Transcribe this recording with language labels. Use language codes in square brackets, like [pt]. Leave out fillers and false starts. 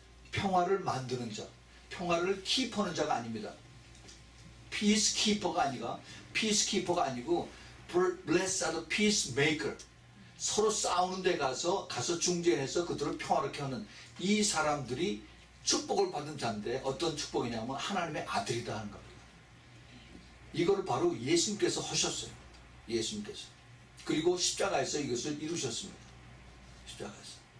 [ko] 평화를 만드는 자. 평화를 키퍼는 자가 아닙니다. 피스키퍼가 아니고 [en] Blessed are the peacemakers. [ko] 서로 싸우는 데 가서 중재해서 그들을 평화롭게 하는 이 사람들이 축복을 받은 자인데 어떤 축복이냐면 하나님의 아들이다 하는 겁니다. 이걸 바로 예수님께서 하셨어요. 예수님께서. 그리고 십자가에서 이것을 이루셨습니다. 십자가에서.